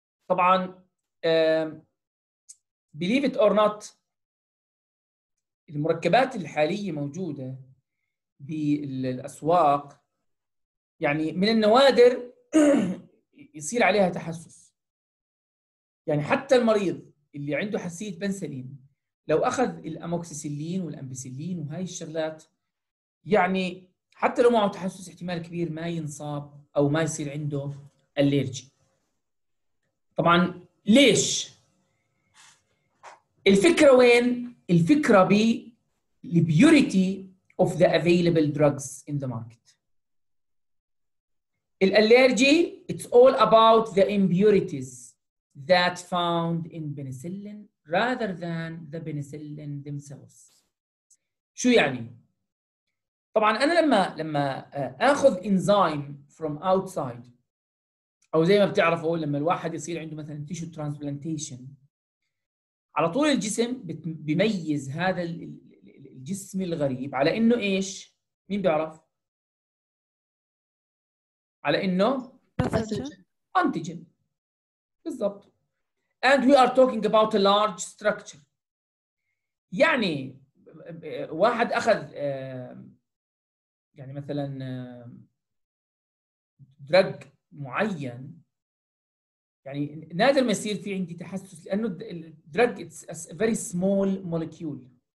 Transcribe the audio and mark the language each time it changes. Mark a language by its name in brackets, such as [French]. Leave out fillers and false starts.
[Arabic] طبعا بليف ات اور نوت، المركبات الحاليه موجوده بالأسواق يعني من النوادر يصير عليها تحسس. يعني حتى المريض اللي عنده حساسية بنسلين لو أخذ الأموكسيسيلين والأمبسيلين وهاي الشغلات، يعني حتى لو معه تحسس احتمال كبير ما ينصاب أو ما يصير عنده أليرجي. طبعا ليش؟ الفكرة وين؟ الفكرة بالبيوريتي [English] of the available drugs in the market. الالرجي it's all about the impurities that found in penicillin rather than the penicillin themselves. [Arabic] شو يعني؟ طبعا انا لما اخذ انزيم [English] from outside، [Arabic] او زي ما بتعرفوا لما الواحد يصير عنده مثلا تيشو ترانسبلانتيشن، على طول الجسم بيميز هذا الجسم الغريب على انه ايش؟ مين بيعرف؟ على انه انتيجين. بالضبط. [English] And we are talking about a large structure. [Arabic] يعني واحد اخذ يعني مثلا درج معين، يعني نادر ما يصير في عندي تحسس لانه الدرج [English] it's a very small molecule.